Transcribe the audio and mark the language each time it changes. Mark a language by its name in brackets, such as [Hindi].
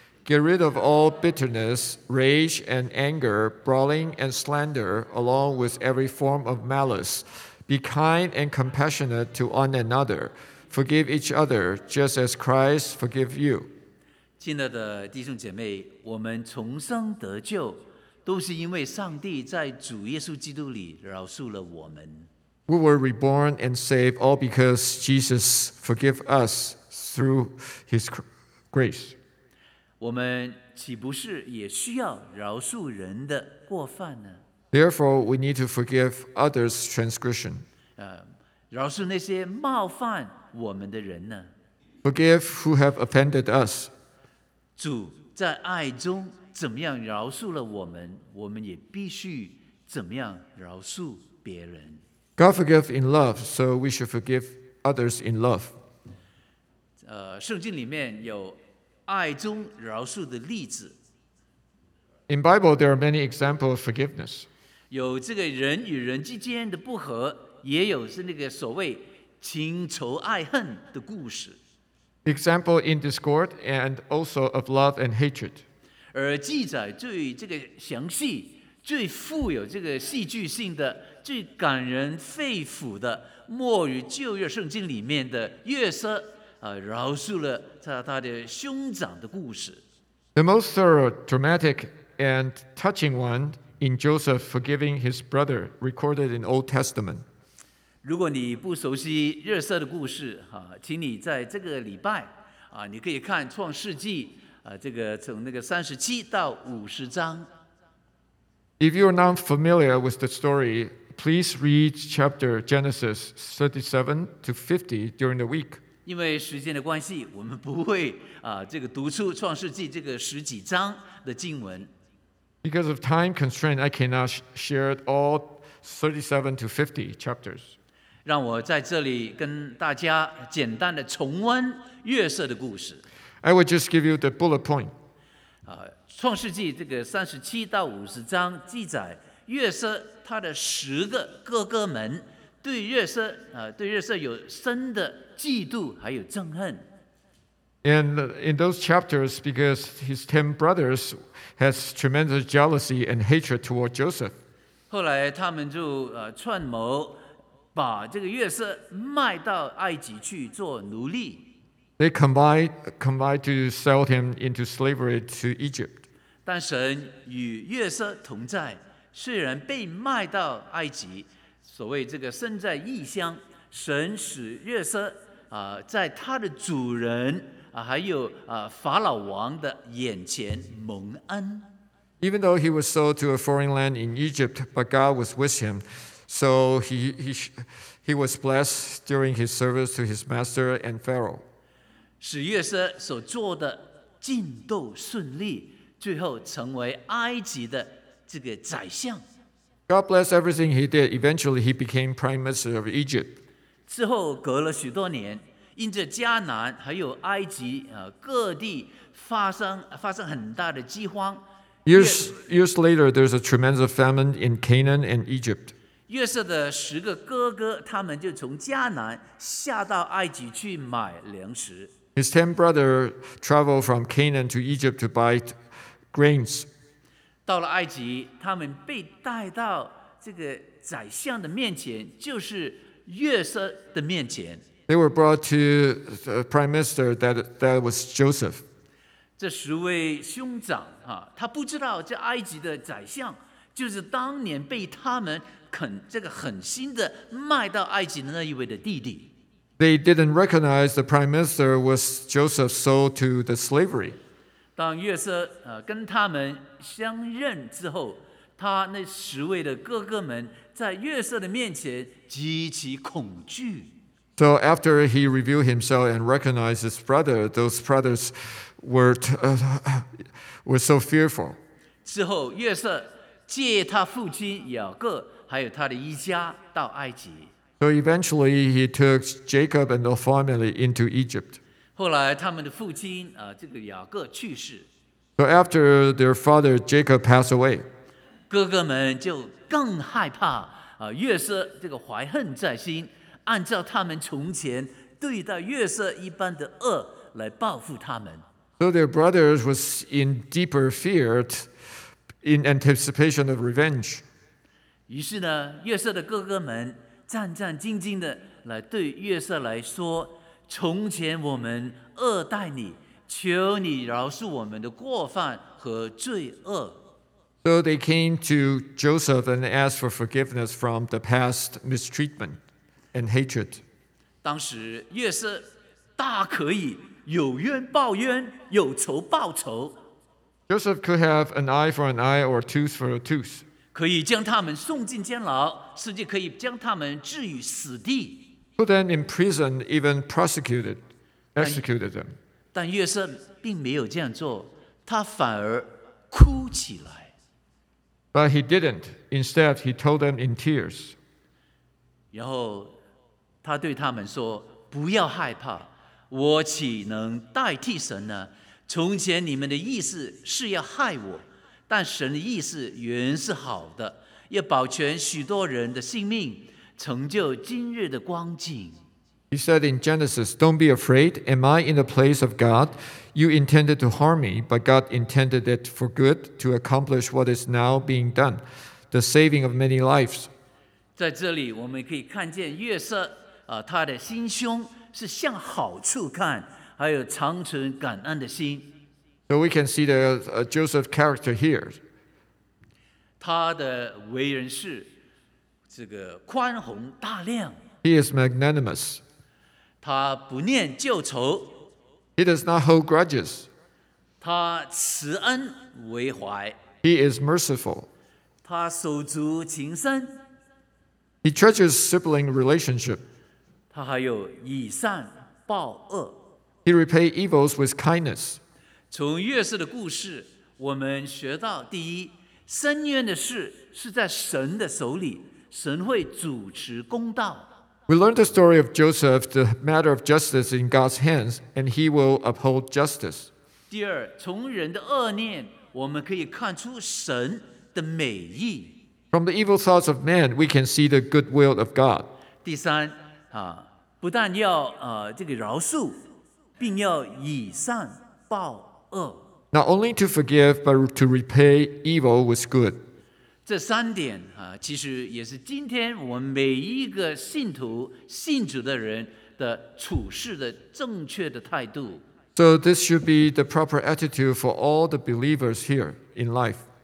[English] Get rid of all bitterness, rage and anger, brawling and slander along with every form of malice Be kind and compassionate to one anotherForgive each other, just as Christ forgave you. [Chinese] 亲爱的弟兄姐妹，我们重生得救，都是因为上帝在主耶稣基督里饶恕了我们。 [English] We were reborn and saved all because Jesus forgave us through His grace. [Chinese] 我们岂不是也需要饶恕人的过犯呢？ [English] Therefore, we need to forgive others' transgression. [Chinese] 饶恕那些冒犯。我们的人呢 [English] Forgive who have offended us. [Chinese] 主在爱中怎么样饶恕了我们，我们也必须怎么样饶恕别人。 [English] God forgive in love, so we should forgive others in love. [Chinese] 圣经里面有爱中饶恕的例子。 [English] In Bible, there are many examples of forgiveness. [Chinese] 有这个人与人之间的不和，也有是那个所谓情仇爱恨的故事 [English] example in discord and also of love and hatred [Chinese] 而记载最这个详细最富有这个戏剧性的最感人肺腑的莫于旧约圣经里面的约瑟、饶恕了 他的兄长的故事 [English] the most thorough dramatic and touching one in Joseph forgiving his brother recorded in Old Testament [Chinese] 如果你不熟悉约瑟的故事，请你在这个礼拜，你可以看创世纪，这个从那个三十七到五十章。 [English] If you are not familiar with the story, please read chapter Genesis 37 to 50 during the week. [Chinese] 因为时间的关系，我们不会，这个读出创世纪这个十几章的经文。 [English] Because of time constraint, I cannot share all 37 to 50 chapters. [Chinese] 让我在这里跟大家简单的重温约瑟的故事。 [English] I will just give you the bullet point. [Chinese] 创世纪这个三十七到五十章记载约瑟他的十个哥哥们对约瑟对约瑟有深的嫉妒还有憎恨。 [English] And in those chapters, because his ten brothers has tremendous jealousy and hatred toward Joseph. [Chinese] 后来他们就串谋。把这个约瑟卖到埃及去做奴隶。 [English] They combined to sell him into slavery to Egypt. [Chinese] 但神与约瑟同在，虽然被卖到埃及，所谓这个身在异乡，神使约瑟在他的主人还有法老王的眼前蒙恩。 [English] Even though he was sold to a foreign land in Egypt, but God was with him. So he He was blessed during his service to his master and Pharaoh. [Chinese] 使约瑟所做的进斗顺利，最后成为埃及的这个宰相。 [English] God bless everything he did. Eventually, he became prime minister of Egypt. [Chinese] 之后隔了许多年，因着迦南还有埃及各地发生很大的饥荒。 [English] Years later, there's a tremendous famine in Canaan and Egypt. [Chinese] 约瑟的十个哥哥他们就从迦南下到埃及去买粮食。 [English] His 10 brothers traveled from Canaan to Egypt to buy grains. [Chinese] 到了埃及，他们被带到这个宰相的面前，就是约瑟的面前。 [English] They were brought to the prime minister, that was Joseph. [Chinese] 这十位兄长，他不知道这埃及的宰相就是当年被他们狠心的卖到埃及的那一位的弟弟。 [English] They didn't recognize the prime minister was Joseph sold to the slavery. [Chinese] 当约瑟跟他们相认之后，他那十位的哥哥们在约瑟的面前极其恐惧。 [English] So after he revealed himself and recognized his brother, those brothers were so fearful. [Chinese] 之后约瑟借他父亲雅各还有他的一家到埃及。 [English] So eventually, he took Jacob and the family into Egypt. [Chinese] 后来他们的父亲这个雅各去世。 [English] So after their father Jacob passed away, [Chinese] 哥哥们就更害怕约瑟这个怀恨在心，按照他们从前对待约瑟一般的恶来报复他们。 [English] So their brothers was in deeper fear, in anticipation of revenge. [Chinese] 于是呢，约瑟的哥哥们战战兢兢地来对约瑟来说，从前我们恶待你，求你饶恕我们的过犯和罪恶。 [English] So they came to Joseph and asked for forgiveness from the past mistreatment and hatred. [Chinese] 当时约瑟大可以有冤报冤，有仇报仇。 [English] Joseph could have an eye for an eye or a tooth for a tooth. [Chinese] 可以将他们送进监牢，甚至可以将他们置于死地。 [English] Put them in prison, even prosecuted, executed them. [Chinese] 但约瑟并没有这样做，他反而哭起来。 [English] But he didn't. Instead, he told them in tears. [Chinese] 然后他对他们说：“不要害怕，我岂能代替神呢？从前你们的意思是要害我。” 但神的意思原是好的，要保全许多人的性命，成就今日的光景。 [English] He said in Genesis, Don't be afraid. Am I in the place of God? You intended to harm me, but God intended it for good to accomplish what is now being done, the saving of many lives. [Chinese] 在这里我们可以看见约瑟他的心胸是向好处看，还有长存感恩的心。 [English] So we can see the Joseph character here. [Chinese] 他的为人是这个宽宏大量。 [English] He is magnanimous. [Chinese] 他不念旧仇。 [English] He does not hold grudges. [Chinese] 他慈恩为怀。 [English] He is merciful. [Chinese] 他手足情深。 [English] He treasures sibling relationship. [Chinese] 他还有以善报恶。 [English] He repays evils with kindness. [Chinese] 从约瑟的故事，我们学到第一，深渊的事是在神的手里，神会主持公道。 [English] We learned the story of Joseph, the matter of justice in God's hands, and he will uphold justice. [Chinese] 第二，从人的恶念，我们可以看出神的美意。 [English] From the evil thoughts of man, we can see the good will of God. [Chinese] 第三，不但要这个饶恕，并要以善报。 [English] Not only to forgive, but to repay evil with good. [Chinese] 这三点其实也是今天我们每一个信徒信主的人的处事的正确的态度。 [English] So this should be the proper attitude for all the believers here in life.